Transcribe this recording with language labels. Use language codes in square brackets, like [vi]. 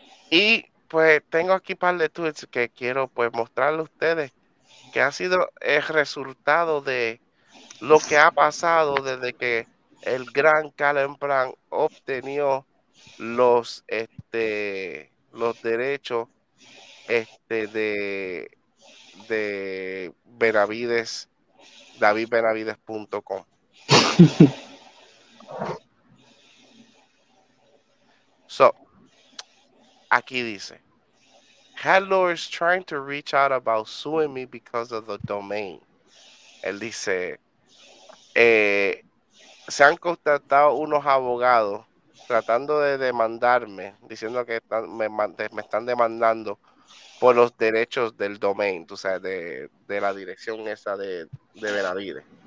[es] Y pues tengo aquí un par de tweets que quiero pues mostrarle a ustedes, que ha sido el resultado de lo que ha pasado desde que el gran Calen Plan obtenió los derechos de Benavides, DavidBenavides.com. [en] So, [es] aquí dice, [en] Hadlor is trying to reach out about suing me because of the domain. [es] Él dice, se han contactado unos abogados tratando de demandarme, diciendo que están, me están demandando por los derechos del domain, tú sabes, de la dirección esa de Benavides.